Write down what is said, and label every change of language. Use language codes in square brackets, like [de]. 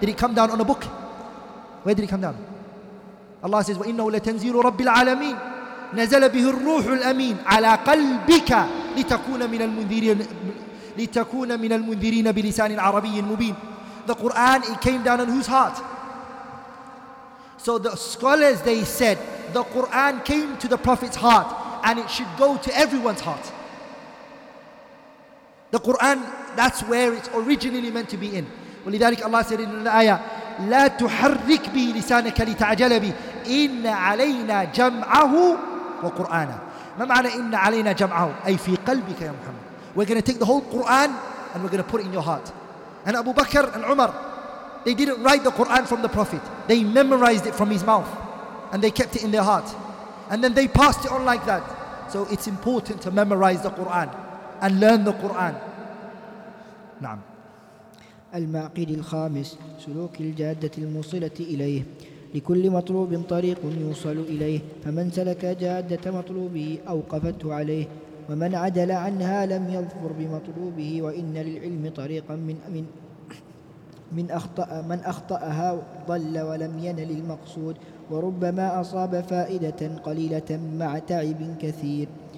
[en] Did it come down on a book? Where did it come down? Allah says, [ar] وَإِنَّهُ لَتَنْزِيلُ رَبِّ الْعَالَمِينَ نَزَلَ بِهِ الرُّوحُ الْأَمِينَ عَلَى قَلْبِكَ لِتَكُونَ مِنَ الْمُنذِرِينَ بِلِسَانٍ عَرَبِيٍّ مُبِينٍ. [en] The Quran, it came down on whose heart? So the scholars, they said, the Quran came to the Prophet's heart and it should go to everyone's heart. The Quran, that's where it's originally meant to be in. [ar] ولذلك الله [en] said in the ayah, [ar] لا تحرك بي لسانك لتعجل بي إن علينا جمعه وقرآنا. ما معنى إن علينا جمعه؟ أي في قلبك يا محمد. [en] We're going to take the whole Quran and we're going to put it in your heart. And Abu Bakr and Umar, they didn't write the Quran from the Prophet. They memorized it from his mouth and they kept it in their heart. And then they passed it on like that. So it's important to memorize the Quran and learn the Quran. [ar] نعم. المعقد الخامس سلوك الجادة الموصلة إليه لكل مطلوب طريق يوصل إليه فمن سلك جادة مطلوبه أوقفته عليه ومن عدل عنها لم يظفر بمطلوبه وإن للعلم طريقا من أخطأ من أخطأها ضل ولم ينل المقصود وربما أصاب فائدة قليلة مع تعب كثير.